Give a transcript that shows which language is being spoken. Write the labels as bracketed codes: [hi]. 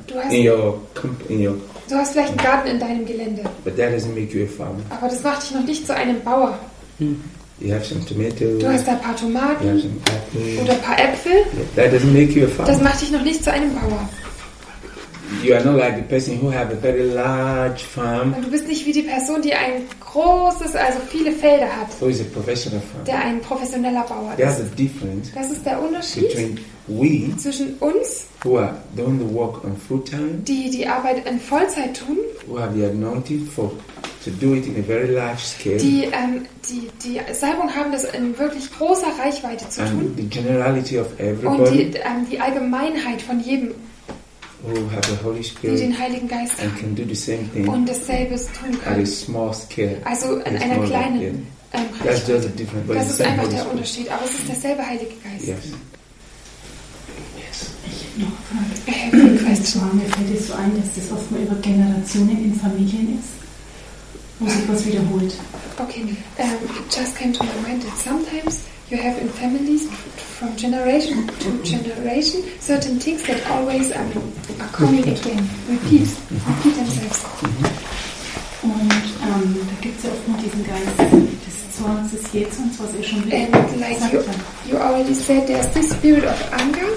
[de] du hast vielleicht einen Garten in deinem Gelände. [en] But that doesn't make you a farmer. [de] Aber das macht dich noch nicht zu einem Bauer. [en] You have some tomatoes, [de] du hast da ein paar Tomaten, [en] you have some apples, [de] oder ein paar Äpfel. [en] Yeah, that doesn't make you a farmer. [de] Das macht dich noch nicht zu einem Bauer. [en] You are not like the person who have a very large farm. [de] Und du bist nicht wie die Person, die ein großes, also viele Felder hat. [en] Who is a professional farmer? [de] Der ein professioneller Bauer [en] There's [de] ist. [en] A difference, [de] das ist der Unterschied [en] between we, [de] zwischen uns, [en] who are doing the work on full time, [de] die Arbeit in Vollzeit tun, [en] who have the anointing for to do it in a very large scale, [de] die Salbung haben, das in wirklich großer Reichweite zu [en] and [de] tun, [en] the generality of everybody, [de] und die Allgemeinheit von jedem, [en] who have the Holy Spirit, [de] die den Heiligen Geist [en] and [de] haben [en] can do the same thing, [de] und dasselbe tun können, [en] at a small scale, [de] also in einer kleinen Reichweite. [en] That's just a different, [de] das ist einfach Holy der Spirit. Unterschied, aber es ist derselbe Heilige Geist. [en] Yes. [de] Ich habe noch Frage. Mir fällt es so ein, dass das oft mal über Generationen in Familien ist, wo sich was wiederholt. [en] Okay, it just came to my mind that sometimes you have in families from generation to generation certain things that always are coming again, repeat themselves. [de] Und da gibt es ja oft mal diesen Geist des Zorns, des Jetzt und was er schon wieder gesagt hat. [en] Like you already said, there's this spirit of anger.